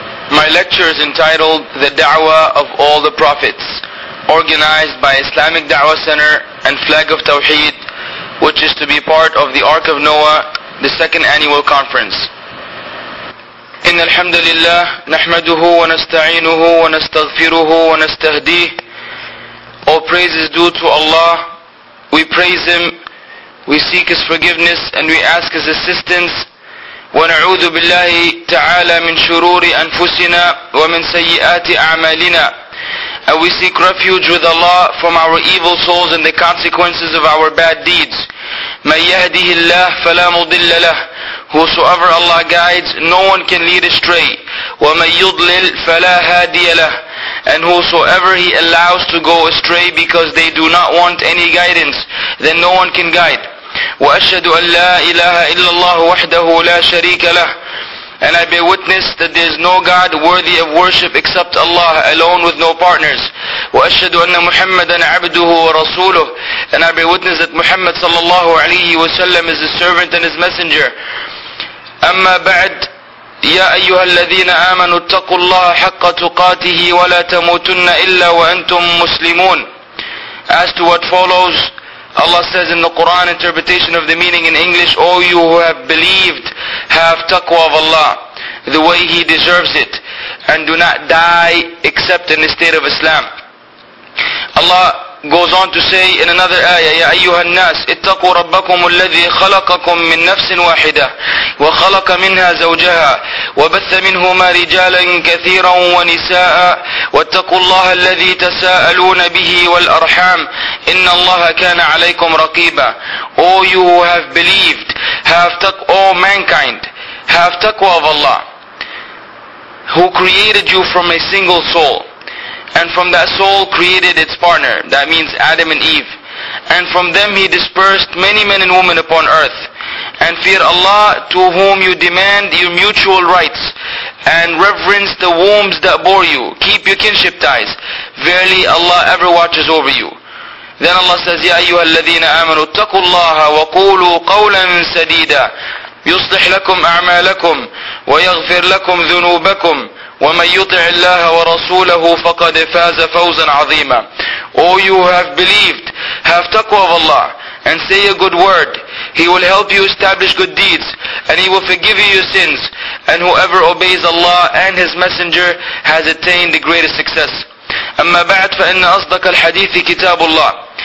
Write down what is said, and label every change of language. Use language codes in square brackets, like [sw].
[en] My lecture is entitled The Da'wah of All the Prophets, organized by Islamic Da'wah Center and Flag of Tawheed, which is to be part of the Ark of Noah, the second annual conference. [ar] إن الحمد لله نحمده ونستعينه ونستغفره ونستهديه. [en] All praise is due to Allah. We praise Him, we seek His forgiveness, and we ask His assistance. [ar] ونعوذ بالله تعالى من شرور أنفسنا ومن سيئات أعمالنا. [en] And we seek refuge with Allah from our evil souls and the consequences of our bad deeds. [ar] من يهده الله فلا مضل له. [en] Whosoever Allah guides, no one can lead astray. [ar] وَمَنْ يُضْلِلْ فَلَا هَادِيَ لَهُ. [en] And whosoever He allows to go astray because they do not want any guidance, then no one can guide. [ar] وَأَشْهَدُ أَنْ لَا إِلَهَ إِلَّا اللَّهُ وَحْدَهُ لَا شَرِيكَ لَهُ. [en] And I bear witness that there is no God worthy of worship except Allah alone with no partners. [ar] وَأَشْهَدُ أَنَّ مُحَمَّدًا عَبْدُهُ وَرَسُولُهُ. [en] And I bear witness that Muhammad [ar] sallallahu alayhi wa sallam [en] is his servant and his messenger. [ar] أما بعد يا أيها الذين آمنوا اتقوا الله حق تقاته ولا تموتن إلا وأنتم مسلمون. [en] As to what follows, Allah says in the Quran, interpretation of the meaning in English, O you who have believed, have taqwa of Allah, the way He deserves it, and do not die except in the state of Islam. Allah goes on to say in another ayah, [ar] يَا أَيُّهَا النَّاسِ اِتَّقُوا رَبَّكُمُ الَّذِي خَلَقَكُم مِّن نَفْسٍ وَاحِدَةٍ وَخَلَقَ مِنْهَا زَوْجَهَا وَبَثَّ مِنْهُمَا رِجَالًا كَثِيرًا وَنِسَاءً وَاتَّقُوا اللَّهَ الَّذِي تَسَاءَلُونَ بِهِ وَالْأَرْحَامِ إِنَّ اللَّهَ كَانَ عَلَيْكُمْ رَقِيبًا. [en] O you who have believed, O mankind, have taqwa of Allah, who created you from a single soul, and from that soul created its partner, that means Adam and Eve. And from them He dispersed many men and women upon earth. And fear Allah, to whom you demand your mutual rights, and reverence the wombs that bore you. Keep your kinship ties. Verily Allah ever watches over you. Then Allah says, [ar] يَا أَيُّهَا الَّذِينَ آمَنُوا اتَّقُوا اللَّهَ وَقُولُوا قَوْلًا سَدِيدًا يُصْلِحْ لَكُمْ أَعْمَالَكُمْ وَيَغْفِرْ لَكُمْ ذُنُوبَكُمْ وَمَنْ يُطِعِ اللَّهَ وَرَسُولَهُ فَقَدْ فَازَ فَوْزًا عَظِيمًا. [en] O you who have believed, have taqwa of Allah, and say a good word. He will help you establish good deeds, and He will forgive you your sins. And whoever obeys Allah and His Messenger has attained the greatest success. [ar] أَمَّا بَعْدْ فَإِنَّ أَصْدَقَ الْحَدِيثِ كِتَابُ اللَّهِ.